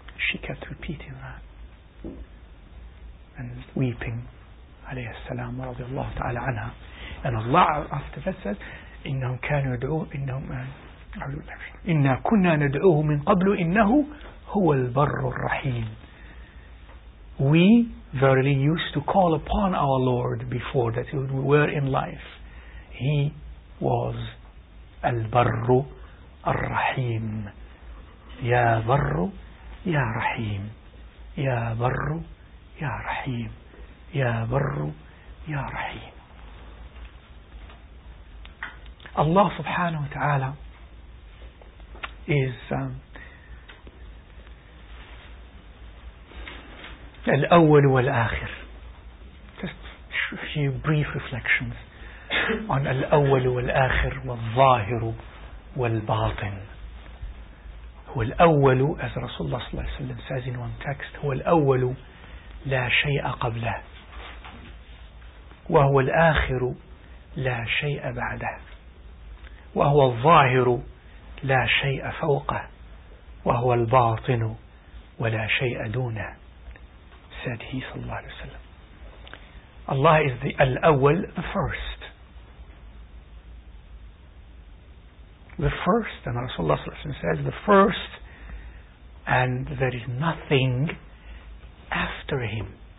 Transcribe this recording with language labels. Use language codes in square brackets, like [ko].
[en] She kept repeating that and weeping, [ar] عليه السلام ورضي الله تعالى عنها. [en] And Allah after that said, [ar] إنهم كانوا يدعوه إنهم إنا كنا ندعوه من قبل إنه هو البر الرحيم. [en] We verily used to call upon our Lord before that we were in life. He was البر الرحيم. [ar] يا بر يا رحيم, يا بر يا رحيم, يا بر يا رحيم. [en] Allah subhanahu wa ta'ala is الأول والآخر. Just a few brief reflections on الأول والآخر والظاهر والباطن. [ar] هو الأول, as Rasulullah صلى الله عليه وسلم [en] says in one text, [ar] هو الأول لا شيء قبله, وهو الآخر لا شيء بعده, وهو الظاهر لا شيء فوقه, وهو الباطن ولا شيء دونه. [en] Said he [ar] صلى الله عليه وسلم, [en] Allah is the الأول, the first, the first. And Rasulullah [ar] صلى الله عليه وسلم [en] says the first, and there is nothing after him.